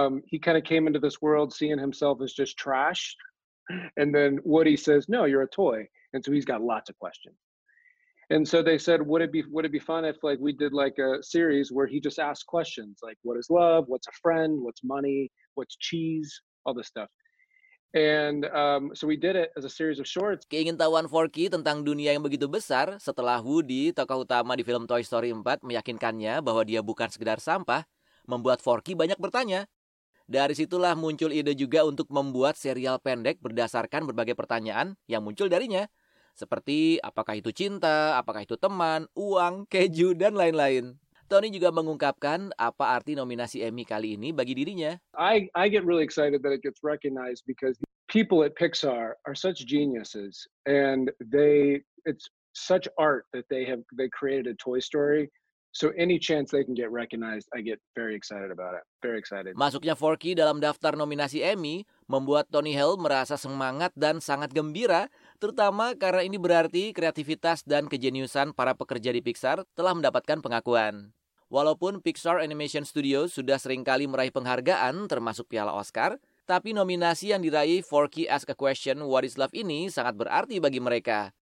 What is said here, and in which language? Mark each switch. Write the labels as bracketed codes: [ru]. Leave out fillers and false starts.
[en] He kind of came into this world seeing himself as just trash, and then Woody says, "No, you're a toy," and so he's got lots of questions. And so they said, "Would it be fun if like we did like a series where he just asked questions like, what is love? What's a friend? What's money? What's cheese? All this stuff." And so we did it as a series of shorts. [id] Keingintahuan Forky tentang dunia yang begitu besar setelah Woody, tokoh utama di film Toy Story 4, meyakinkannya bahwa dia bukan sekedar sampah, membuat Forky banyak bertanya. Dari situlah muncul ide juga untuk membuat serial pendek berdasarkan berbagai pertanyaan yang muncul darinya. Seperti apakah itu cinta, apakah itu teman, uang, keju, dan lain-lain. Tony juga mengungkapkan apa arti nominasi Emmy kali ini bagi dirinya. [en] I get really excited that it gets recognized because people at Pixar are such geniuses and it's such art that they created a Toy Story. So any chance they can get recognized, I get very excited about it. Very excited. [id] Masuknya Forky dalam daftar nominasi Emmy membuat Tony Hale merasa semangat dan sangat gembira, terutama karena ini berarti kreativitas dan kejeniusan para pekerja di Pixar telah mendapatkan pengakuan. Walaupun Pixar Animation Studios sudah seringkali meraih penghargaan, termasuk Piala Oscar, tapi nominasi yang diraih Forky Ask a Question, What is Love ini sangat berarti bagi mereka.